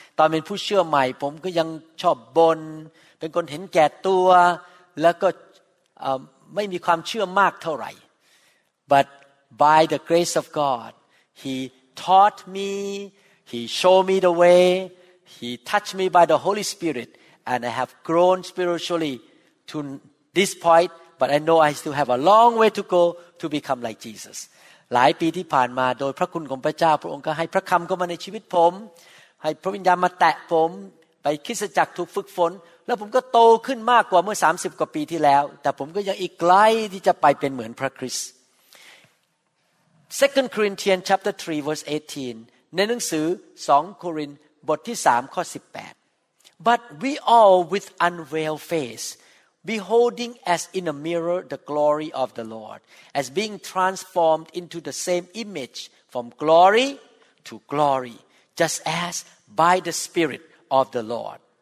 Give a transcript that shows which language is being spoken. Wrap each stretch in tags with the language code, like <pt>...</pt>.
<th>ตอนเป็นผู้เชื่อใหม่ผมก็ยังชอบบ่นเป็นคนเห็นแก่ตัวแล้วก็ไม่มีความเชื่อมากเท่าไหร่</th> <en>But by the grace of God, He taught me, He showed me the way, He touched me by the Holy Spirit, and I have grown spiritually to this point. But I know I still have a long way to go to become like Jesus.</en> <th>หลายปีที่ผ่านมาโดยพระคุณของพระเจ้าพระองค์ก็ให้พระคำเข้ามาในชีวิตผมให้พระวิญญาณมาแตะผมไปคริสตจักรถูกฝึกฝนแล้วผมก็โตขึ้นมากกว่าเมื่อ30กว่าปีที่แล้วแต่ผมก็ยังอีกไกลที่จะไปเป็นเหมือนพระคริสต์</th> <en>2 Corinthians chapter 3 verse 18</en> <th>ในหนังสือ2โครินธ์บทที่3ข้อ18</th> <en>But we all with unveiled faceBeholding as in a mirror the glory of the Lord, as being transformed into the same image from glory to glory, just as by the Spirit of the Lord.</en>